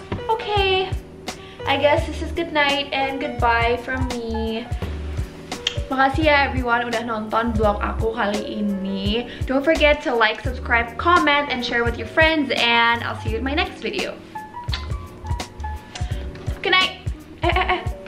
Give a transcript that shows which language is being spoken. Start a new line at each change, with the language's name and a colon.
English: Okay, I guess this is good night and goodbye from me.
Indonesian: Makasih ya everyone udah nonton vlog aku kali ini.
English: Don't forget to like, subscribe, comment, and share with your friends. And I'll see you in my next video. Good night.